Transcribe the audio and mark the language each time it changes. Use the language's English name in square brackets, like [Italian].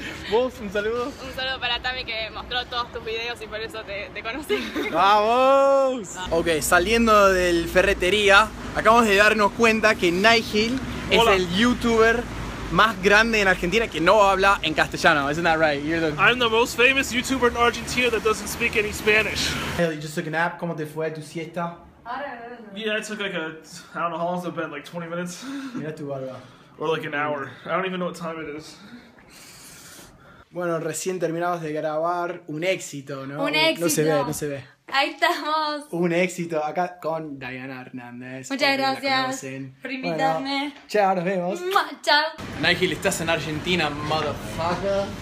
[Spanish] ¿Vos? ¿Un saludo? Un saludo para Tami, que mostró todos tus videos y por eso te conocí. ¡Vamos! Ok, saliendo del ferretería, acabamos de darnos cuenta que Nihill es el youtuber más grande en Argentina que no habla en castellano. [English] Isn't that right? I'm the most famous youtuber in Argentina that doesn't speak any Spanish. Hey, you just took a nap. [Spanish] ¿Cómo te fue tu siesta? [English] Yeah, I took like a... I don't know, how long has it been? Like 20 minutes? [Spanish] Mira tu barba. [English] Or like an hour. I don't even know what time it is. [Spanish] Bueno, recién terminamos de grabar un éxito, ¿no? Un éxito. No se ve, no se ve. Ahí estamos. Un éxito acá con Diana Hernández. Muchas gracias por invitarme. Bueno, chao, nos vemos. Chao. Nihill, estás en Argentina, motherfucker.